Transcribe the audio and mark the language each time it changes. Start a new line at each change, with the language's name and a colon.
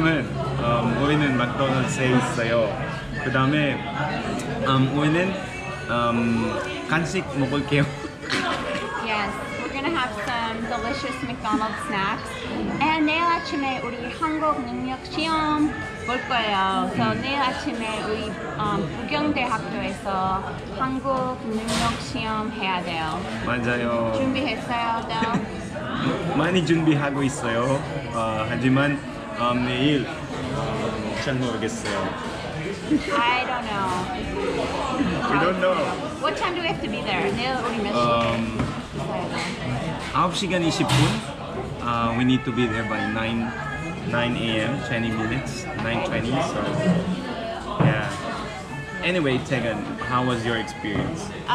Korean: 지금은 우리는 맥도날드에 있어요. 그 다음에 우리는 간식 먹을게요.
English: Yes, we're gonna have some delicious McDonald's snacks.
Korean: And 내일 아침에 우리 한국 능력 시험 볼 거예요. So 내일 아침에 우리 부경대학교에서 한국 능력 시험 해야 돼요. 맞아요. 준비했어요, 또? 많이 준비하고 있어요. 하지만 내일 잘 모르겠어요.
English: I don't know. We don't know. What time do we have to be there?
Korean: 내일 우리 몇 시? 9시간 20분.
English: We need to be there by 9 a.m. 20 minutes. 9:20. So yeah. Anyway, Tegan, how was your experience?